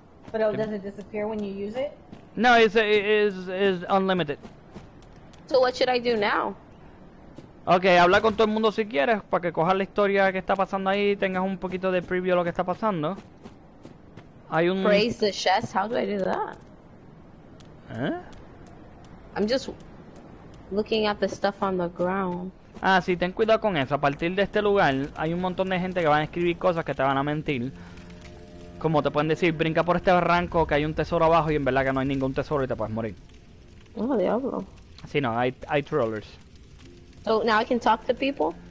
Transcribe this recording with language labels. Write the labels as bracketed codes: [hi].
[en] Pero ¿does it disappear when you use it? No, it's unlimited. So what should I do now? [es] Okay, habla con todo el mundo si quieres, para que cojas la historia que está pasando ahí y tengas un poquito de preview de lo que está pasando. Hay un... [en] Praise the chest, how do I do that? ¿Eh? I'm just looking at the stuff on the ground. [es] Ah, sí, ten cuidado con eso. A partir de este lugar, hay un montón de gente que van a escribir cosas que te van a mentir. Como te pueden decir, brinca por este barranco que hay un tesoro abajo y en verdad que no hay ningún tesoro y te puedes morir. Oh, diablo. Sí, no, hay trollers. [en] So now I can talk to people?